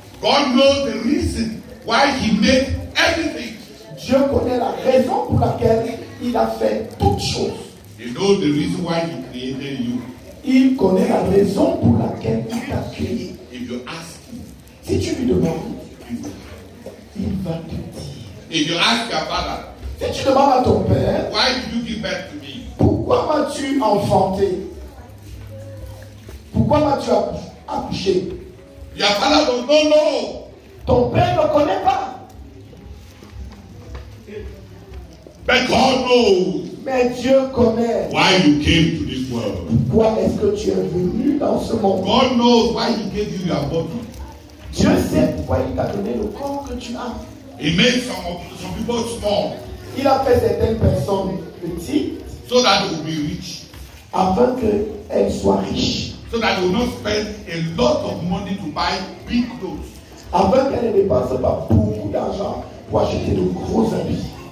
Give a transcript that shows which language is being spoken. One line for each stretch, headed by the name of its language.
English: God knows the reason why he made everything.
French: Dieu connaît la raison pour laquelle il a fait toutes choses.
English: He knows the reason why he created you.
French: Il connaît la raison pour laquelle il t'a créé.
English: If you ask him,
French: si tu lui demandes, il va te dire.
English: If you ask your father,
French: si tu demandes à ton père,
English: why did you give birth to me?
French: Pourquoi m'as-tu enfanté? Pourquoi m'as-tu accouché?
English: Your father will not know.
French: Ton père ne connaît pas.
English: But God knows.
French: Mais Dieu connaît.
English: Why you came to this world?
French: Pourquoi est-ce que tu es venu dans ce monde?
English: God knows why he gave you your body.
French: Dieu sait pourquoi il t'a donné le corps que tu as.
English: He made some people small.
French: Il a fait certaines personnes petites.
English: So that they will be rich.
French: Afin qu'elles soient riches.
English: So that they will not spend a lot of money to buy big clothes.
French: Afin qu'elles ne dépensent pas beaucoup d'argent pour acheter de gros habits.